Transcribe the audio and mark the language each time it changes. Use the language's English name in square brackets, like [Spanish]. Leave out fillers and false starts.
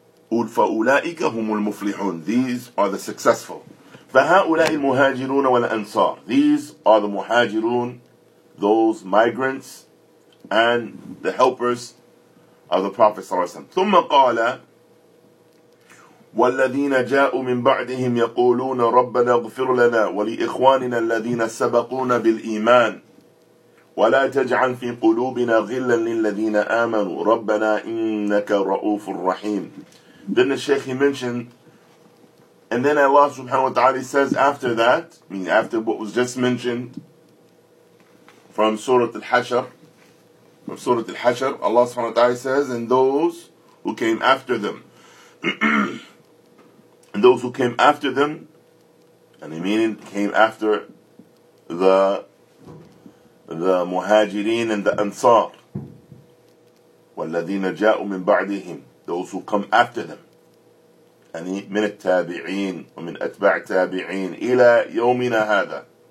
[Arabic] فَأُولَٰئِكَ هُمُ الْمُفْلِحُونَ. [English] These are the successful. [Arabic] فَهَؤُلَاءِ الْمُهَاجِرُونَ وَالْأَنْصَارِ. [English] These are the muhajirun, those migrants and the helpers of the Prophet صلى الله عليه وسلم. [Arabic] ثُمَّ قَالَ والذين جاءوا من بعدهم يقولون ربنا اغفر لنا ولإخواننا الذين سبقونا بالإيمان ولا تجعل في قلوبنا غلا للذين آمنوا ربنا إنك رؤوف رحيم. [English] Then the Shaykh he mentioned, and then Allah subhanahu wa ta'ala says after that, I mean after what was just mentioned from Surah Al-Hashr, Allah subhanahu wa ta'ala says, and those who came after them. And those who came after them, and I mean it, came after the muhajirin and the ansar. [Arabic] وَالَّذِينَ جَاءُوا مِن بَعْدِهِمْ. [English] Those who come after them. [Arabic] يعني من التابعين ومن أتباع التابعين إلى يومنا هذا.